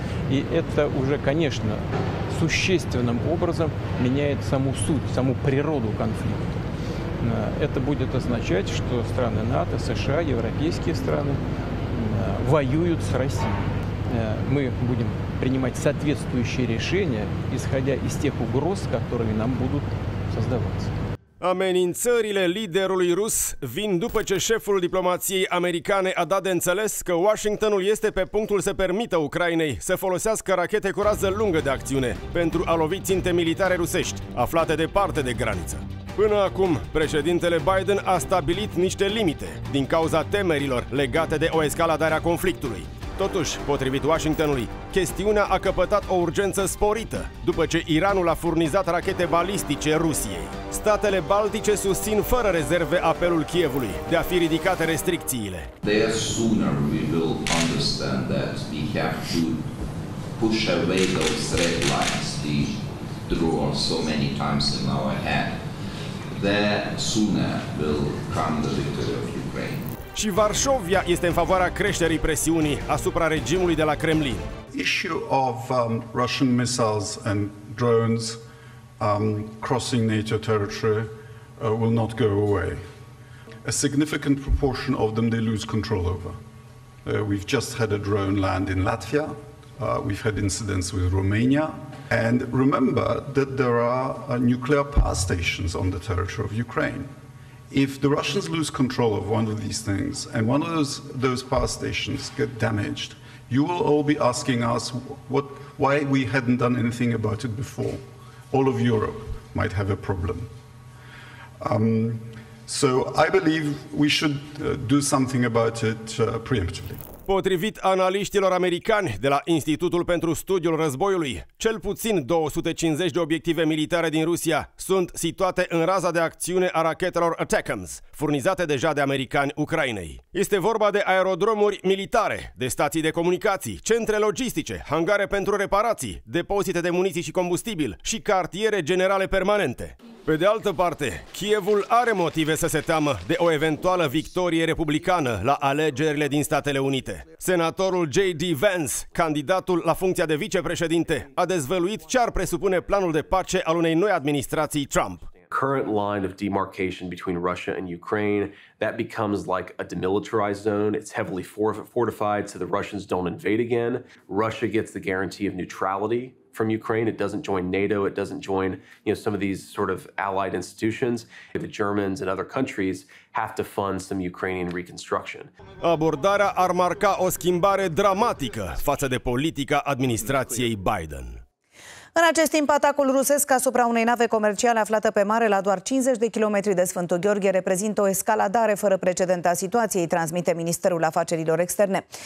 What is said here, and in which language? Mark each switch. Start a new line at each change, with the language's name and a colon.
Russian: И это уже, конечно, существенным образом меняет саму суть, саму природу конфликта. Это будет означать, что страны НАТО, США, европейские страны воюют с Россией. Мы будем принимать соответствующие решения, исходя из тех угроз, которые нам будут создаваться.
Romanian: Amenințările liderului rus vin după ce șeful diplomației americane a dat de înțeles că Washingtonul este pe punctul să permită Ucrainei să folosească rachete cu rază lungă de acțiune pentru a lovi ținte militare rusești, aflate departe de graniță. Până acum, președintele Biden a stabilit niște limite din cauza temerilor legate de o escaladare a conflictului. Totuși, potrivit Washingtonului, chestiunea a căpătat o urgență sporită după ce Iranul a furnizat rachete balistice Rusiei. Statele Baltice susțin fără rezerve apelul Kievului de a fi ridicate restricțiile.
English: There sooner we will understand that we have to push away those red lines we drew on so many times in our head. There sooner will come the victory of Ukraine.
Romanian: Și Varșovia este în favoarea creșterii presiunii asupra regimului de la Kremlin.
English: Issue of Russian missiles and drones crossing NATO territory will not go away. A significant proportion of them they lose control over. We've just had a drone land in Latvia. We've had incidents with Romania. And remember that there are nuclear power stations on the territory of Ukraine. If the Russians lose control of one of these things and one of those power stations get damaged, you will all be asking us why we hadn't done anything about it before. All of Europe might have a problem. So I believe we should do something about it preemptively.
Romanian: Potrivit analiștilor americani de la Institutul pentru Studiul Războiului, cel puțin 250 de obiective militare din Rusia sunt situate în raza de acțiune a rachetelor ATACMS, furnizate deja de americani Ucrainei. Este vorba de aerodromuri militare, de stații de comunicații, centre logistice, hangare pentru reparații, depozite de muniții și combustibil și cartiere generale permanente. Pe de altă parte, Kievul are motive să se teamă de o eventuală victorie republicană la alegerile din Statele Unite. Senatorul J.D. Vance, candidatul la funcția de vicepreședinte, a dezvăluit ce ar presupune planul de pace al unei noi administrații Trump.
English: Current line of demarcation between Russia and Ukraine, that becomes like a demilitarized zone. It's heavily fortified so the Russians don't invade again. Russia gets the guarantee of neutrality from Ukraine. It doesn't join NATO, it doesn't join, you know, some of these sort of allied institutions. The Germans and other countries have to fund some Ukrainian reconstruction.
Romanian: Abordarea ar marca o schimbare dramatică față de politica administrației Biden. În acest timp, atacul rusesc asupra unei nave comerciale aflată pe mare la doar 50 de kilometri de Sfântul Gheorghe reprezintă o escaladare fără precedent a situației, transmite Ministerul Afacerilor Externe.